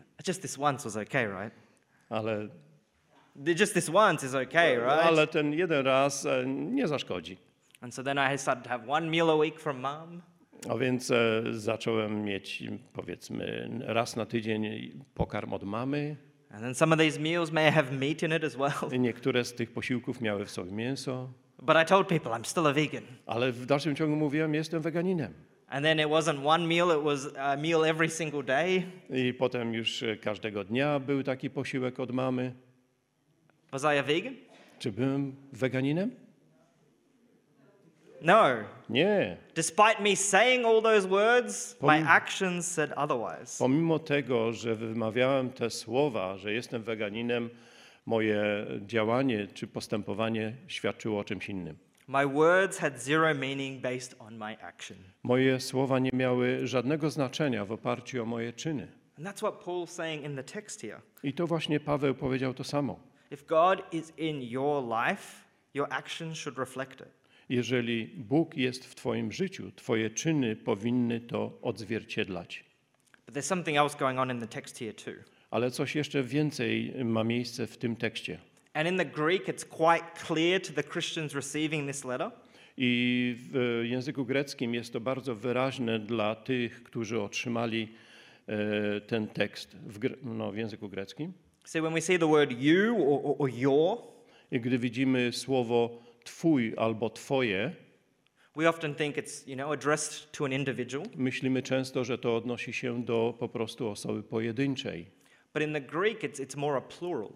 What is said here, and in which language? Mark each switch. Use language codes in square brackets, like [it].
[en] Just this once was okay, right? [pl] Ale [en] just this once is okay, right? [pl] Ale ten jeden raz nie zaszkodzi. [en] And so then I started to have one meal a week from mum. [pl] A więc zacząłem mieć, powiedzmy, raz na tydzień pokarm od mamy. [en] And then some of these meals may have meat in it as well. [pl] I niektóre z tych posiłków miały w sobie mięso. [en] But I told people I'm still a vegan. [pl] Ale w dalszym ciągu mówiłem, jestem weganinem. [en] And then it wasn't one meal, it was a meal every single day. [pl] I potem już każdego dnia był taki posiłek od mamy. [en] Was I a vegan? [pl] Czy byłem weganinem? [en] No. [pl] Nie. [en] Despite me saying all those words, my actions said otherwise. [pl] Pomimo tego, że wymawiałem te słowa, że jestem weganinem, moje działanie czy postępowanie świadczyło o czymś innym. [en] My words had zero meaning based on my action. [pl] Moje słowa nie miały żadnego znaczenia w oparciu o moje czyny. [en] And that's what Paul's saying in the text here. [pl] I to właśnie Paweł powiedział to samo. [en] If God is in your life, your actions should reflect it. [pl] Jeżeli Bóg jest w twoim życiu, twoje czyny powinny to odzwierciedlać. [en] But there's something else going on in the text here too. [pl] Ale coś jeszcze więcej ma miejsce w tym tekście. [en] And in the Greek it's quite clear to the Christians receiving this letter. [pl] I w języku greckim jest to bardzo wyraźne dla tych, którzy otrzymali ten tekst w języku greckim. [en] So when we see the word you or your, [pl] i gdy widzimy słowo twój albo twoje, [en] we often think it's, you know, addressed to an individual. [pl] Myślimy często, że to odnosi się do po prostu osoby pojedynczej. [en] But in the Greek it's more a plural.